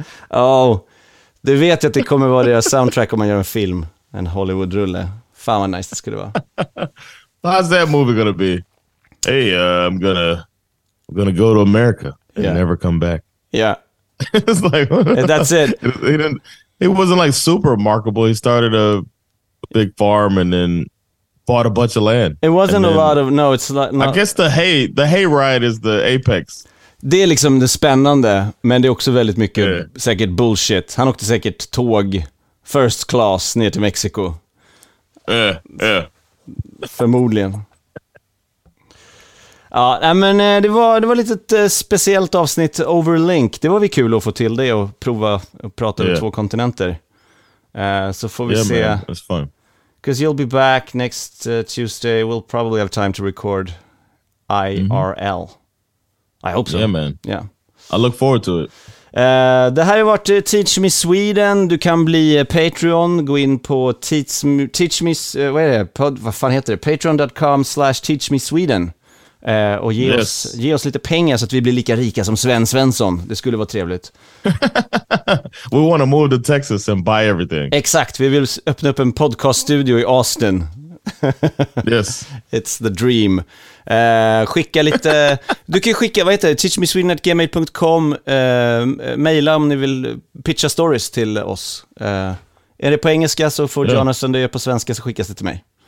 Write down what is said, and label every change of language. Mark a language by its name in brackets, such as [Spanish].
[Swedish] Oh, du vet att det kommer vara deras soundtrack om man gör en film. En Hollywood-rulle. Fan vad nice det skulle vara. [English] How's that movie gonna be? Hey, I'm gonna go to America and never come back. Yeah. It's like, that's it. He wasn't like super remarkable. He started a big farm and then bought a bunch of land. It wasn't a lot of, no, it's like, I guess the hay ride is the apex. [Swedish] Det är liksom det spännande, men det är också väldigt mycket säkert bullshit. Han åkte säkert tåg first class ner till Mexiko. Förmodligen. Ja, men det var lite ett speciellt avsnitt Overlink. Det var vi kul att få till det och prova att prata över två kontinenter. Så får vi se. [English] Yeah, man, it's fun. Because you'll be back next Tuesday. We'll probably have time to record IRL. Mm-hmm. I hope so. Yeah, man. Yeah. I look forward to it. [Swedish] Det här har varit Teach Me Sweden. Du kan bli Patreon. Gå in på Teach Me... vad fan heter det? Patreon.com/Teach Me Sweden. Och ge oss lite pengar så att vi blir lika rika som Sven Svensson. Det skulle vara trevligt. [English] We want to move to Texas and buy everything. [Swedish] Exakt, vi vill öppna upp en podcaststudio i Austin. Yes. [English] It's the dream. [Swedish] Skicka lite. Du kan skicka, vad heter det? teachmesweden@gmail.com. Maila om ni vill pitcha stories till oss. Är det på engelska så får Jonathan det på svenska så skickas det till mig.